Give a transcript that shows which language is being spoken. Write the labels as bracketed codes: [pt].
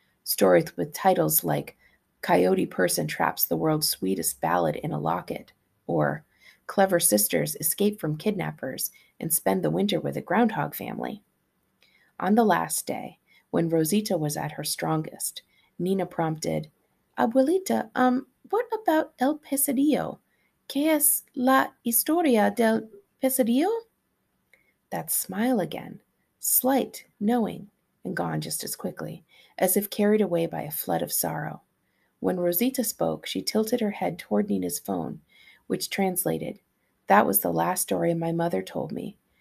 [en] Stories with titles like Coyote Person Traps the World's Sweetest Ballad in a Locket, or Clever Sisters Escape from Kidnappers and Spend the Winter with a Groundhog Family. On the last day, when Rosita was at her strongest, Nina prompted, Abuelita, what about El Pesadillo? [es] ¿Qué es la historia del Pesadillo? [en] That smile again, slight, knowing, and gone just as quickly, as if carried away by a flood of sorrow. When Rosita spoke, she tilted her head toward Nina's phone, which translated, That was the last story my mother told me.